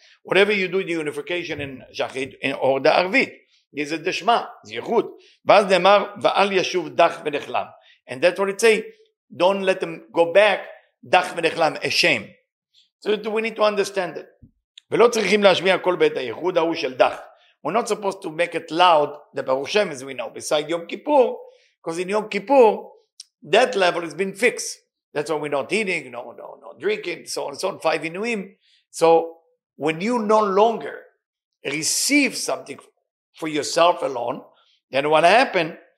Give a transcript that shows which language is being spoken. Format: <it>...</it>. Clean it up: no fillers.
<en>Whatever you do, the unification in Shachrit or the Arvit, this is the Shema, it's Yichud. And that's what it say, don't let them go back,</en> <he>Dach v'nechlam,</he> <en>a shame. So we need to understand it.</en> <he>ולא צריכים להשמיע כל בית היחוד ההוא של דח.</he> <en>We're not supposed to make it loud, the Baruch Shem, as we know, beside Yom Kippur, because in Yom Kippur, that level has been fixed. That's why we're not eating, no drinking, so on and so on, five inuim. So when you no longer receive something for yourself alone, then what happened?</en>